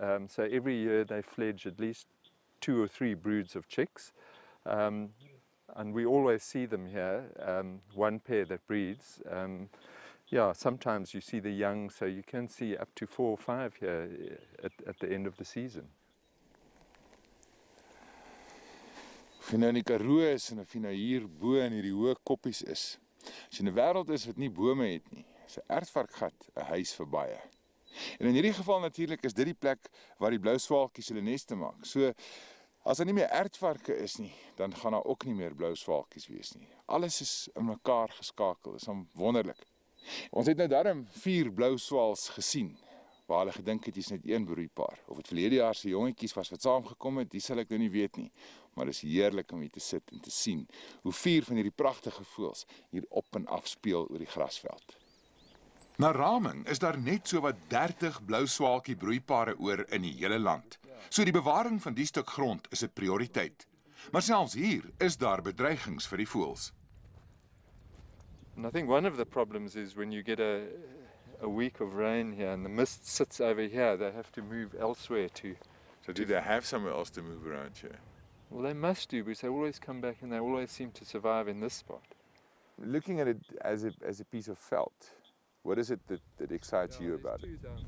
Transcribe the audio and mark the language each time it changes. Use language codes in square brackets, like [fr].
[en] So every year they fledge at least 2 or 3 broods of chicks. And we always see them here, one pair that breeds. Sometimes you see the young, so you can see up to 4 or 5 here at the end of the season. [af] Of jy nou in die Karoo is en of jy nou hier bo in hierdie hoë koppies is. As jy in 'n wêreld is wat nie bome het nie, is 'n aardvarkgat 'n huis vir baie. En in hierdie geval natuurlik is dit die plek waar die blou swaalkies hulle neste maak. So as daar nie meer aardvarke is nie, dan gaan daar ook nie meer blou swaalkies wees nie. Alles is in mekaar geskakel, is wonderlik. Ons het nou daarom 4 blou swaals gesien. Waar hulle gedink het, is net een broeipaar. Of het verlede jaar se jongetjies was wat saamgekom het, die sal ek nou nie weet nie. Maar het is heerlijk om hier te sit en te sien hoe 4 van hierdie prachtige voels hier op en af speel oor die grasveld. Na raming is daar net so wat 30 blou swaalkie broeipare oor in die hele land. So die bewaring van die stuk grond is 'n prioriteit. Maar selfs hier is daar bedreigings vir die voels. [en] And I think one of the problems is when you get a week of rain here and the mist sits over here, they have to move elsewhere to. So do they have somewhere else to move around here? Well, they must do because they always come back and they always seem to survive in this spot. Looking at it as a piece of felt, what is it that excites you about it?